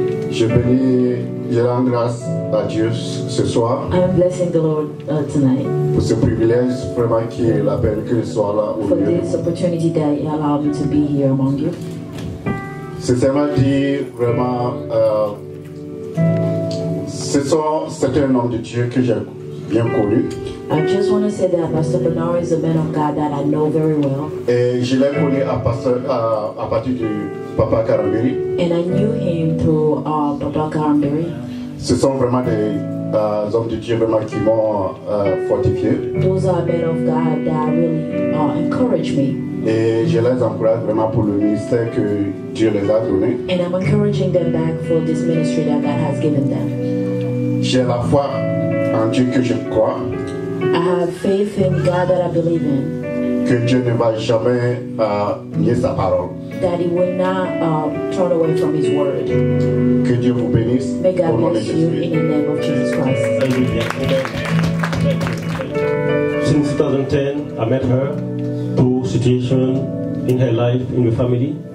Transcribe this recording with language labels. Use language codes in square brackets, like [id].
[fr] Je bénis, je rends grâce à Dieu ce soir. [en] I'm blessing the Lord tonight. [fr] Pour ce privilège, vraiment qu'il l'appelle que je sois là au [en] lieu. For this opportunity that he allowed me to be here among you. [fr] C'est seulement dire vraiment, ce soir, c'est un homme de Dieu que j'ai bien connu. [en] I just want to say that Pastor Bernard is a man of God that I know very well. [fr] Et je l'ai connu à partir de Papa Karambiri. [en] And I knew him through Papa Karambiri. [fr] Ce sont vraiment des hommes de Dieu vraiment qui m'ont fortifié. [en] Those are men of God that really encourage me. [fr] Et je les encourage vraiment pour le ministère que Dieu les a donné. [en] And I'm encouraging them back for this ministry that God has given them. [fr] J'ai la foi en Dieu que je crois. [en] I have faith in God that I believe in. [fr] Que Dieu ne va jamais nier sa parole. [en] That he will not turn away from his word. [fr] Que Dieu vous bénisse. [en] May God bless you in the name of Jesus Christ. Thank you. Thank you. Since 2010, I met her through situation in her life, in the family.